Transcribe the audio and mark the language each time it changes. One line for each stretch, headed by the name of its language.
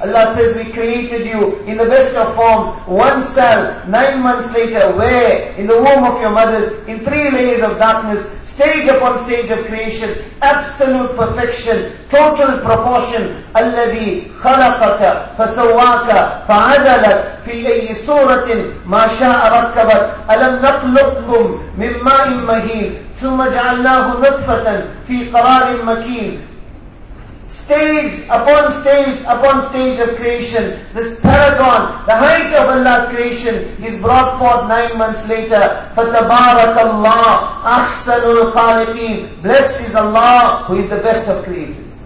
English: Allah says, we created you in the best of forms, one cell, 9 months later, where? In the womb of your mothers, in 3 layers of darkness, stage upon stage of creation, absolute perfection, total proportion, alladhi khalaqaka fasawwa.
Arabic: فعدلت في أي صورة ما شاء ركبت ألم نخلقكم من ماء مهين ثم جعلناه نطفة في قرار مكين.
English: Stage upon stage upon stage of creation, this paragon, the height of Allah's creation, is brought forth 9 months later.
Arabic: فَتَبَارَكَ اللَّهُ أَحْسَنُ الْخَالِقِينَ.
English: Blessed is Allah who is the best of creators.